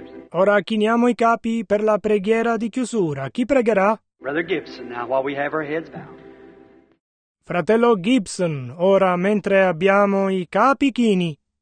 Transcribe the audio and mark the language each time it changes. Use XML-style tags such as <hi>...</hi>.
<it>Ora chiniamo i capi per la preghiera di chiusura. Chi pregherà?</it> <en>Brother Gibson, now while we have our heads bowed.</en> <it>Fratello Gibson, ora mentre abbiamo i capi chini.</it>